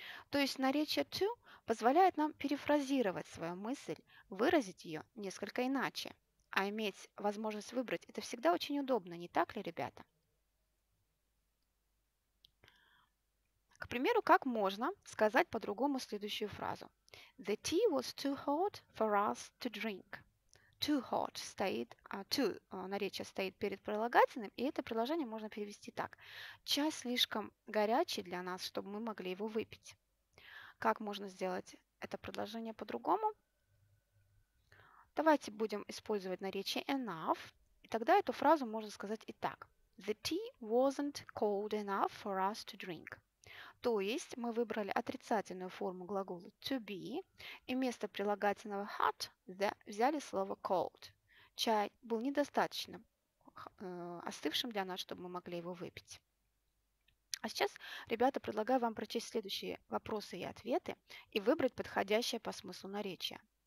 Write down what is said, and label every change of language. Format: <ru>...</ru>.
<ru>То есть наречие to позволяет нам перефразировать свою мысль, выразить ее несколько иначе. А иметь возможность выбрать – это всегда очень удобно, не так ли, ребята? К примеру, как можно сказать по-другому следующую фразу.</ru> <en>The tea was too hot for us to drink. Too hot</en> <ru>стоит, наречие стоит перед прилагательным, и это предложение можно перевести так. Чай слишком горячий для нас, чтобы мы могли его выпить. Как можно сделать это предложение по-другому? Давайте будем использовать наречие enough, и тогда эту фразу можно сказать и так.</ru> <en>The tea wasn't cold enough for us to drink.</en> <ru>То есть мы выбрали отрицательную форму глагола to be, и вместо прилагательного hot взяли слово cold. Чай был недостаточно остывшим для нас, чтобы мы могли его выпить. А сейчас, ребята, предлагаю вам прочесть следующие вопросы и ответы и выбрать подходящее по смыслу наречие.</ru>